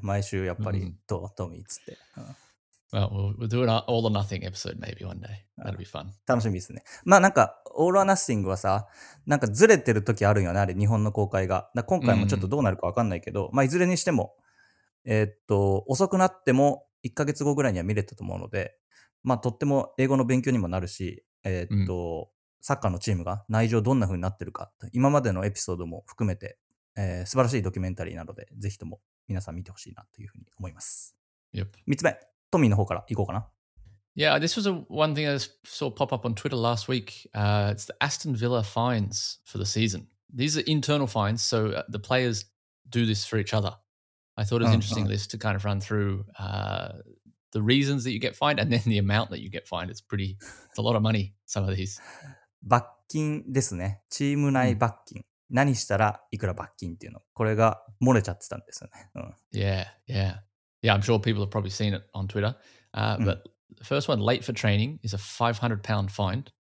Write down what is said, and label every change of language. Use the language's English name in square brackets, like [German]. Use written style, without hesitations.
[Japanese] 毎週やっぱり、トミーっつって。 [English] Well, we'll do an all or nothing episode maybe one day. That'll be fun. [Japanese] 楽しみですね。まあなんか、all or nothing はさ、なんかずれてる時あるよね、あれ、日本の公開が。だ今回もちょっとどうなるか分かんないけど、まあいずれにしても、遅くなっても1ヶ月後ぐらいには見れたと思うので、まあとっても英語の勉強にもなるし、サッカーのチームが内情どんな風になってるか、今までのエピソードも含めて、素晴らしいドキュメンタリーなので、ぜひとも皆さん見てほしいなというふうに思います。 Yep. 3つ目。トミーの方から行こうかな。 [English] Yeah, this was one thing I saw pop up on Twitter last week. It's the Aston Villa fines for the season. These are internal fines, so the players do this for each other. I thought it was interesting this to kind of run through the reasons that you get fined and then the amount that you get fined. It's a lot of money, some of these. [Japanese] 罰金ですね。チーム内罰金。何したらいくら罰金っていうの。これが漏れちゃってたんですよね。 [English] Yeah, I'm sure people have probably seen it on Twitter. But the first one, late for training, is a £500 fine.